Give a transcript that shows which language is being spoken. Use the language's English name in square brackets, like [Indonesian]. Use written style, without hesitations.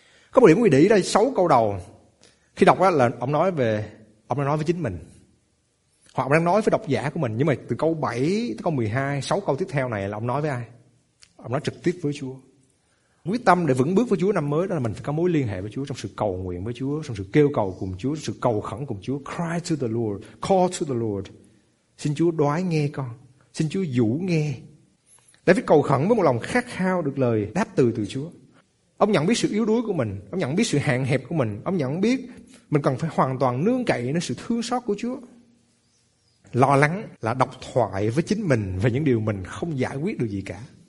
[Vietnamese] Có một điểm quý vị để ý đây, 6 câu đầu khi đọc đó là ông nói về, ông đang nói với chính mình, hoặc ông đang nói với độc giả của mình. Nhưng mà từ câu 7 tới câu 12, 6 câu tiếp theo này là ông nói với ai? Ông nói trực tiếp với Chúa. Quyết tâm để vững bước với Chúa năm mới đó là mình phải có mối liên hệ với Chúa, trong sự cầu nguyện với Chúa, trong sự kêu cầu cùng Chúa, trong sự cầu khẩn cùng Chúa. [English] Cry to the Lord, call to the Lord. [Vietnamese] Xin Chúa đoái nghe con, xin Chúa dũ nghe. David cầu khẩn với một lòng khát khao được lời đáp từ Chúa. Ông nhận biết sự yếu đuối của mình, ông nhận biết sự hạn hẹp của mình, ông nhận biết mình cần phải hoàn toàn nương cậy nơi sự thương xót của Chúa. Lo lắng là độc thoại với chính mình về những điều mình không giải quyết được gì cả.